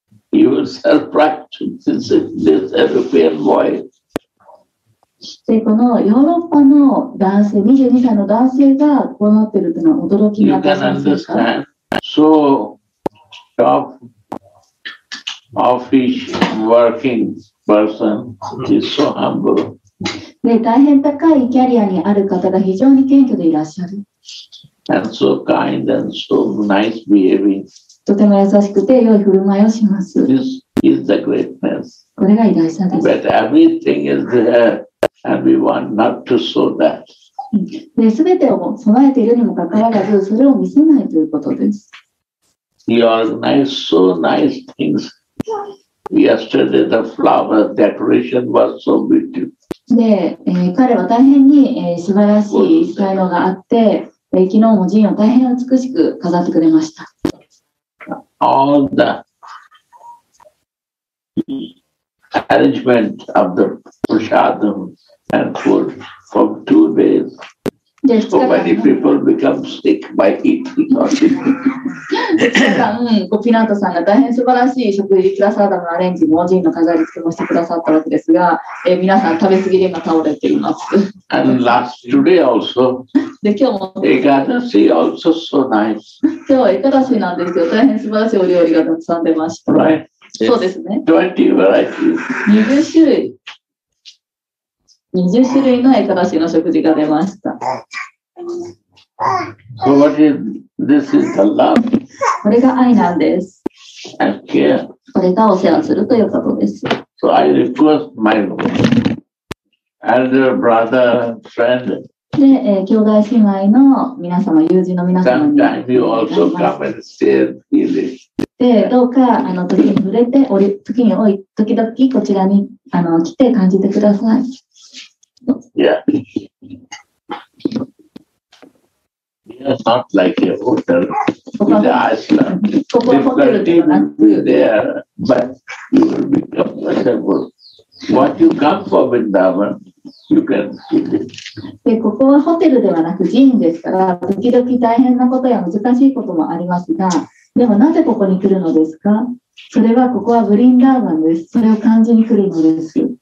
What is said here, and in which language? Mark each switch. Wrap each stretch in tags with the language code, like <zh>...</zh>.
<en>He was self-practiced as this European boy.</en> <ja>で、このヨーロッパの男性、22歳の男性がこうなってるというのは驚きがありませんか?</ja> <en>You can understand. So, top office workingPerson is so humble.</en> <ja>で、大変高いキャリアにある方が非常に謙虚でいらっしゃる。</ja> <en>And so kind and so nice behaving.</en> <ja>とても優しくて良い振る舞いをします。</ja> <en>This is the greatness.</en> <ja>これが偉大さです。</ja> <en>But everything is there. Everyone not to show that.</en> <ja>で、全てを備えているにもかかわらず、それを見せないということです。</ja> <en>He organized so nice things. Yesterday, the flower decoration was so beautiful.</en> <ja>で、彼は大変に、素晴らしい才能があって、昨日も陣を大変美しく飾ってくれました。</ja> <en>All the arrangement of the prasadam and food for two days. So many people become sick by eating or drinking.</en> <ja>ピナートさんが大変素晴らしい食事プラサダムのアレンジも陣の飾り付けもしてくださったわけですが、皆さん食べ過ぎで今倒れています。</ja> <en>And last today also.</en> <ja>で今日も。</ja> <en>エカダシ also so nice.</en> <ja>今日はエカダシなんですけど、大変素晴らしいお料理がたくさん出ました。</ja> <en>Right.</en> <ja>そうですね。</ja> <en>20 varieties.</en> <ja>20種類のエカダシの食事が出ました。</ja> <en>So what is this is the love?</en> <ja>これが愛なんです。</ja> <en>And care.</en> <ja>これがお世話するということです。</ja> <en>So I request my elder brother friend.</en> <ja>で、兄弟姉妹の皆様、友人の皆様に。</ja> <en>Sometimes you also come and stay here.</en> <ja>で、どうかあの時に触れて、時に多い時々こちらにあの来て感じてください。</ja> <en>Yeah. It's not like a hotel in the Iceland. Difficulty there, but you will be comfortable. What you come for Vrindavan, you can feel it.</en> <ja>でここはホテルではなく寺院ですから、時々大変なことや難しいこともありますが、でもなぜここに来るのですか？それはここはブリンダーバンです。それを感じに来るのです。</ja>